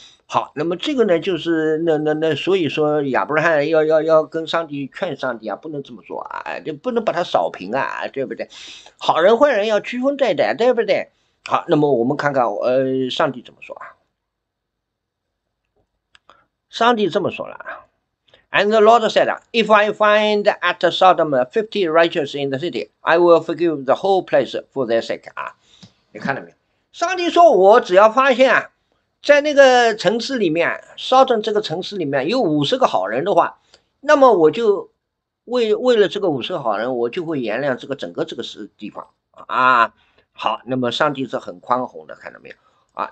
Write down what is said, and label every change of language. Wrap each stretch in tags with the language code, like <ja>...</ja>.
<zh>好，那么这个呢，就是那，所以说亚伯拉罕要跟上帝劝上帝啊，不能这么做啊，就不能把他扫平啊，对不对？好人坏人要区分对待，对不对？好，那么我们看看，上帝怎么说啊？上帝这么说了啊，</zh> <en>And the Lord said, "If I find at Sodom 50 righteous in the city, I will forgive the whole place for their sake."</en> <zh>啊，你看到没有？上帝说，我只要发现啊。在那个城市里面，烧顿这个城市里面有50个好人的话，那么我就为了这个50个好人，我就会原谅这个整个这个是地方啊。好，那么上帝是很宽宏的，看到没有啊？</zh>